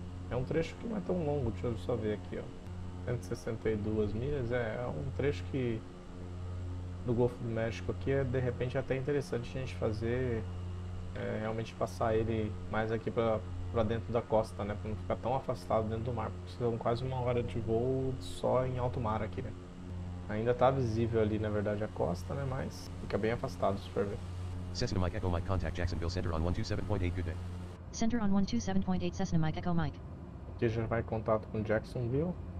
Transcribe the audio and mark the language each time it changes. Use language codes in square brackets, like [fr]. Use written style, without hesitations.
[pt] É um trecho que não é tão longo, deixa eu só ver aqui, ó. 162 milhas, é um trecho que do Golfo do México aqui é de repente até interessante a gente fazer, realmente passar ele mais aqui para para dentro da costa, né? Para não ficar tão afastado dentro do mar. São quase 1 hora de voo só em alto mar aqui, né? Ainda tá visível ali, na verdade, a costa, né? Mas fica bem afastado, super bem. [en] Cessna Mike Echo Mike contact Jacksonville Center on 127.8, good day. Center on 127.8, Cessna Mike Echo Mike. [pt] Aqui já vai em contato com Jacksonville.